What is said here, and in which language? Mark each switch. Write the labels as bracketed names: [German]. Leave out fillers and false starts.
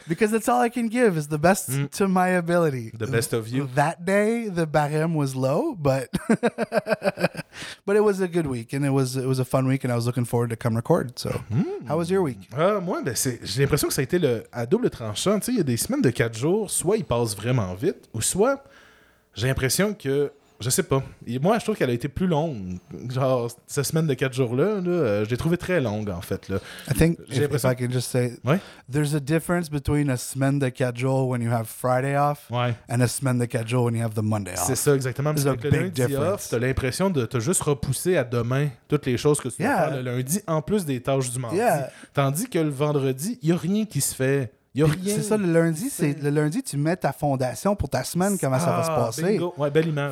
[English] Because that's all I can give, is the best to my ability. The best of you. That day, the barème was low, but. But it was a good week, and it was a fun week, and I was looking forward to come record. So, how was your week? [French] Moi, ben j'ai l'impression que ça a été à double tranchant. Tu sais, il y a des semaines de 4 jours, soit il passe vraiment vite, ou soit j'ai l'impression que, je sais pas. Et moi, je trouve qu'elle a été plus longue. Genre, cette semaine de 4 jours-là, je l'ai trouvée très longue, en fait. Là. [English] I think, if I can just say, [French] ouais? [English] There's a difference between a [French] semaine de 4 jours [English] when you have Friday off, [French] ouais. [English] And a [French] semaine de 4 jours [English] when you have the Monday off. [French] C'est ça, exactement. [English] There's [French] parce [English] a big difference. [French] Off, t'as l'impression de te juste repousser à demain toutes les choses que tu [English] yeah. [French] Dois faire le lundi, en plus des tâches du mardi. [English] Yeah. [French] Tandis que le vendredi, il n'y a rien qui se fait. Rien, c'est ça, le lundi, tu mets ta fondation pour ta semaine, comment ça va se passer. Bingo. Ouais, belle image.